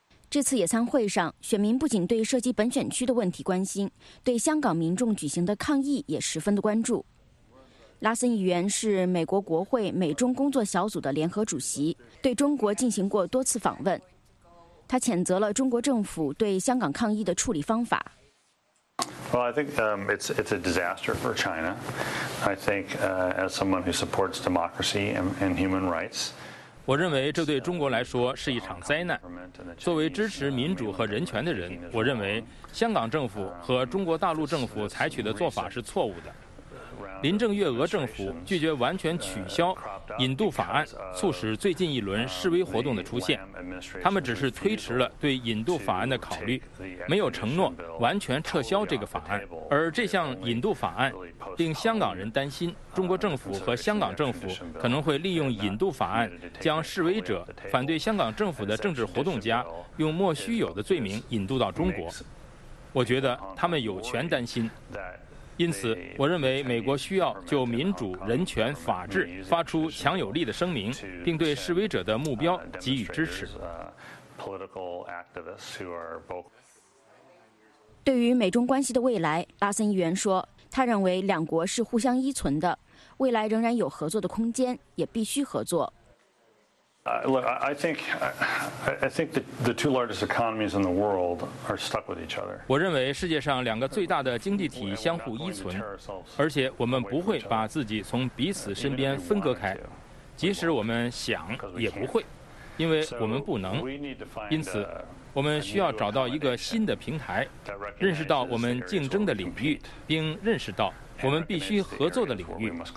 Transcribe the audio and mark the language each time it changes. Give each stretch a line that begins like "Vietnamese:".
Chinese: 这次野餐会上，选民不仅对涉及本选区的问题关心，对香港民众举行的抗议也十分的关注。拉森议员是美国国会美中工作小组的联合主席，对中国进行过多次访问。他谴责了中国政府对香港抗议的处理方法。
English: Well, I think it's a disaster for China. I think as someone who supports democracy and human rights.
Chinese: 我认为这对中国来说是一场灾难。作为支持民主和人权的人，我认为香港政府和中国大陆政府采取的做法是错误的。林郑月娥政府拒绝完全取消引渡法案，促使最近一轮示威活动的出现。他们只是推迟了对引渡法案的考虑，没有承诺完全撤销这个法案。而这项引渡法案令香港人担心，中国政府和香港政府可能会利用引渡法案将示威者、反对香港政府的政治活动家用莫须有的罪名引渡到中国。我觉得他们有权担心。因此，我认为美国需要就民主、人权、法治发出强有力的声明，并对示威者的目标给予支持。对于美中关系的未来，拉森议员说，他认为两国是互相依存的，未来仍然有合作的空间，也必须合作。
English: I think the two largest economies in the world are stuck with each other.
Chinese: 我认为世界上两个最大的经济体相互依存，而且我们不会把自己从彼此身边分割开，即使我们想也不会，因为我们不能。因此，我们需要找到一个新的平台，认识到我们竞争的领域，并认识到我们必须合作的领域。